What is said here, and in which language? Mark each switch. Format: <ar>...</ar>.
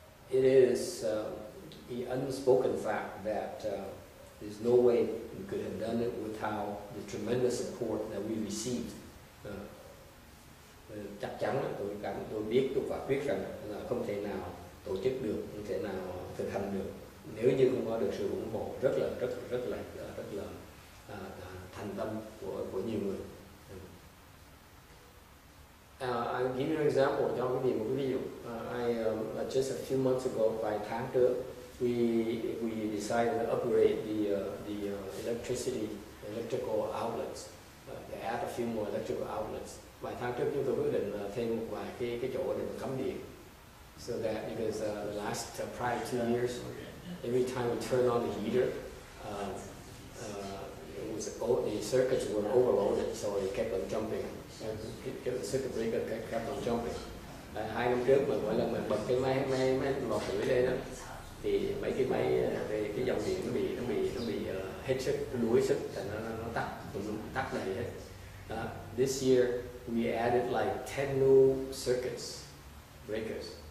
<en>It is the unspoken fact that there's no way we could have done it without the tremendous support that we received.</en> <vi>Chắc chắn là tôi biết rằng là không thể nào tổ chức được, không thể nào thực hành được nếu như không có được sự ủng hộ rất là thành tâm của nhiều người.</vi> <en>I'll give you an example,</en> <vi>cho quý vị một cái ví dụ.</vi> <en>Just a few months ago,</en> <vi>vài tháng trước,</vi> <en>we decided to upgrade the electrical outlets, add a few more electrical outlets.</en> <vi>Vài tháng trước chúng tôi quyết định thêm một vài cái chỗ để mà cắm điện.</vi> <en>So that because the last prior 2 years, every time we turn on the heater, the circuits were overloaded, so it kept on jumping. The circuit breaker kept on jumping.</en> <vi>Hai năm trước mà mỗi lần mà bật cái máy lọc lưới lên đó, thì mấy cái máy cái dòng điện nó bị hết sức, đuối sức, thì nó tắt, cũng tắt đầy hết.</vi> <en>This year we added like 10 new circuits breakers.</en>